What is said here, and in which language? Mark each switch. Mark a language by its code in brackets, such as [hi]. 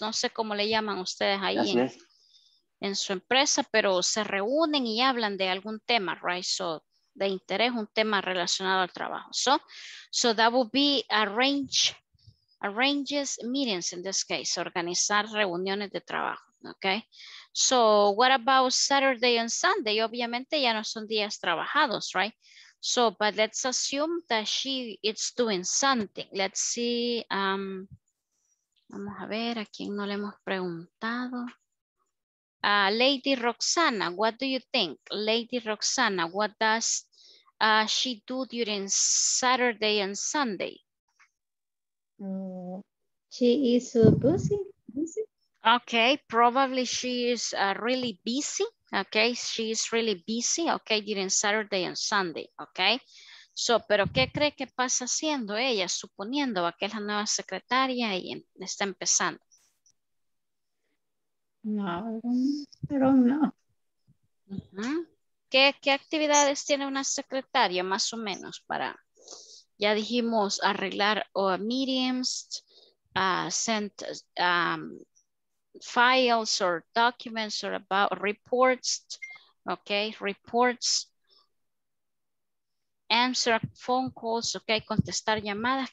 [es] No sé cómo le llaman ustedes ahí en su empresa, pero se reúnen y hablan de algún tema, [en] right? [es] So, de interés, un tema relacionado al trabajo. [en] So, so that would be arranges meetings in this case, [es] organizar reuniones de trabajo, [en] okay? So, what about Saturday and Sunday? [es] Obviamente ya no son días trabajados, [en] right? So, but let's assume that she is doing something. Let's see. [es] Vamos a ver a quién no le hemos preguntado. [en] Lady Roxana, what do you think? Lady Roxana, what does she do during Saturday and Sunday? She is so busy. Okay, probably she is really busy. Okay, she's really busy, okay, during Saturday and Sunday, okay. [es] So, pero ¿qué cree que pasa haciendo ella? Suponiendo que es la nueva secretaria y está empezando. No, pero no. ¿Qué, qué actividades tiene una secretaria más o menos para, ya dijimos, arreglar meetings, [en] send, files or documents or about reports, okay, reports, answer phone calls, okay, [es] contestar llamadas.